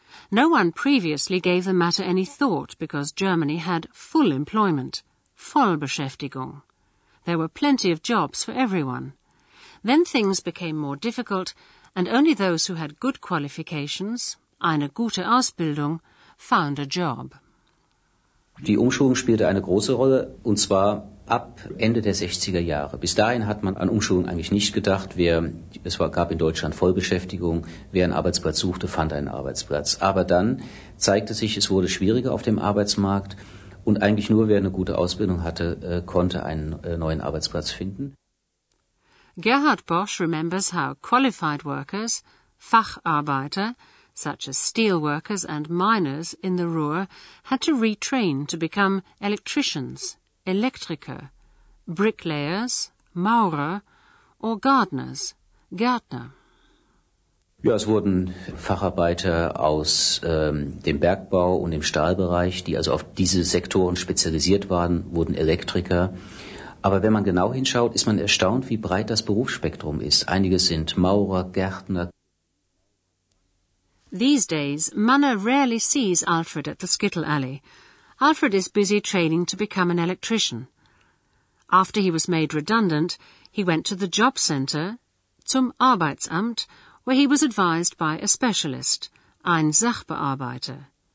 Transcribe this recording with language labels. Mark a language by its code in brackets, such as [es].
[en] No one previously gave the matter any thought because Germany had full employment. Vollbeschäftigung. There were plenty of jobs for everyone. Then things became more difficult, and only those who had good qualifications, [de] eine gute Ausbildung, [en] found a job. [de] Die Umschulung spielte eine große Rolle, und zwar ab Ende der 60er Jahre. Bis dahin hat man an Umschulung eigentlich nicht gedacht. Es gab in Deutschland Vollbeschäftigung. Wer einen Arbeitsplatz suchte, fand einen Arbeitsplatz. Aber dann zeigte sich, es wurde schwieriger auf dem Arbeitsmarkt. Und eigentlich nur wer eine gute Ausbildung hatte, konnte einen neuen Arbeitsplatz finden. [en] Gerhard Bosch remembers how qualified workers, Facharbeiter, such as steel workers and miners in the Ruhr, had to retrain to become electricians, Elektriker, bricklayers, Maurer or gardeners, Gärtner. [de] Ja, es wurden Facharbeiter aus dem Bergbau und dem Stahlbereich, die also auf diese Sektoren spezialisiert waren, wurden Elektriker. Aber wenn man genau hinschaut, ist man erstaunt, wie breit das Berufsspektrum ist. Einige sind Maurer, Gärtner. [en] These days, Manner rarely sees Alfred at the Skittle Alley. Alfred is busy training to become an electrician. After he was made redundant, he went to the job center, [de] zum Arbeitsamt, [en] where he was advised by a specialist, [de] ein Sachbearbeiter.